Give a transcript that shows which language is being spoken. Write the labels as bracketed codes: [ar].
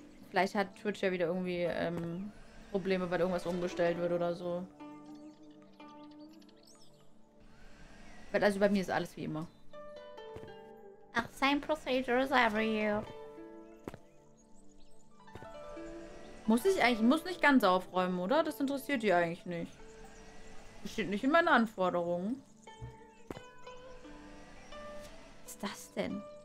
[de] Vielleicht hat Twitch ja wieder irgendwie Probleme, weil irgendwas umgestellt wird oder so. Weil also bei mir ist alles wie immer. [en] Ach, same procedure as every year. [de] Muss nicht ganz aufräumen, oder? Das interessiert die eigentlich nicht. Das steht nicht in meinen Anforderungen. Was ist das denn?